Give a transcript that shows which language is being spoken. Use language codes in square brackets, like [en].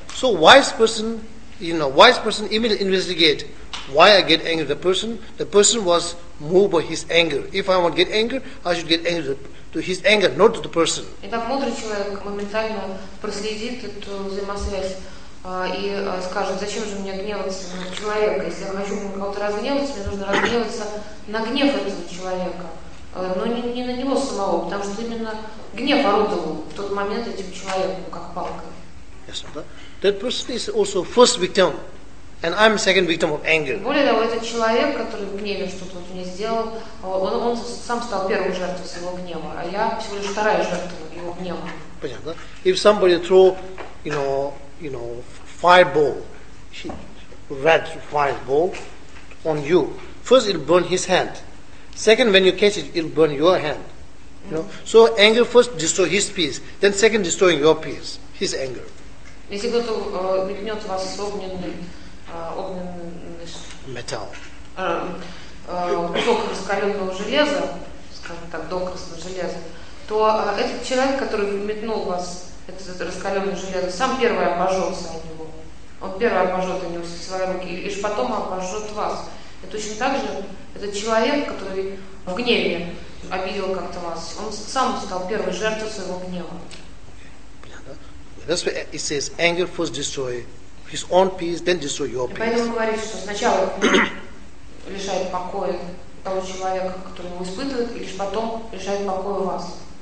[en] So wise person, you know, wise person immediately investigate why I get angry at the person. The person was moved by his anger. If I want to get angry, I should get angry to his anger, not to the person. [ru] Итак, мудрый человек моментально проследит эту взаимосвязь и скажет, зачем же мне гневаться на человека? Если я хочу на кого-то разгневаться, мне нужно разгневаться на гнев этого человека. Но не на него самого, потому что именно гнев орудовал в тот момент этим человеком, как палкой. [en] Yes, sir. That person is also first victim, and I'm second victim of anger. [ru] Более того, этот человек, который в гневе что-то вот мне сделал, он сам стал первой жертвой своего гнева, а я всего лишь вторая жертва его гнева. Понятно. [en] If somebody throw, you know, fireball, red fireball, on you. First, it'll burn his hand. Second, when you catch it, it'll burn your hand. You know? Mm-hmm. So anger first destroys his peace. Then second, destroying your peace, his anger. [ru] Если кто-то гнет вас с огненным железа, скажем так, докрасным железом, то этот человек, который метнул вас, это раскаленное железо, сам первый обожжется у него. Он первый обожжет у него свои руки, и лишь потом обожжет вас. И точно так же этот человек, который в гневе обидел как-то вас, он сам стал первой жертвой своего гнева. [en] That's why it says anger first destroy his own peace, then destroy your peace. [ru] Поэтому говорит, что сначала лишает покоя того человека, который его испытывает, и лишь потом лишает покоя вас.